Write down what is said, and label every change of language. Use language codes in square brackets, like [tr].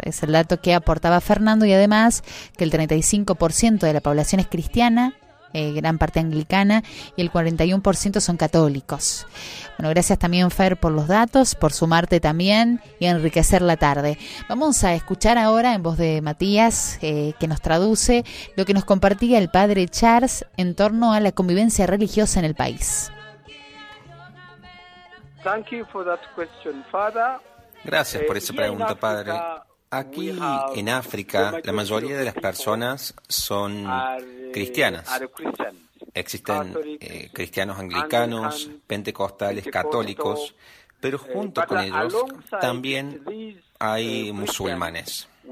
[es] Es el dato que aportaba Fernando, y además que el 35% de la población es cristiana, gran parte anglicana, y el 41% son católicos. Bueno, gracias también, Fer, por los datos, por sumarte también y enriquecer la tarde. Vamos a escuchar ahora, en voz de Matías, que nos traduce lo que nos compartía el padre Charles en torno a la convivencia religiosa en el país. [en] Thank you for that question, Father. [es] Gracias por esa pregunta, padre. Aquí en África, la mayoría de las personas son cristianas. Existen cristianos anglicanos, pentecostales, católicos, pero junto con ellos también hay musulmanes.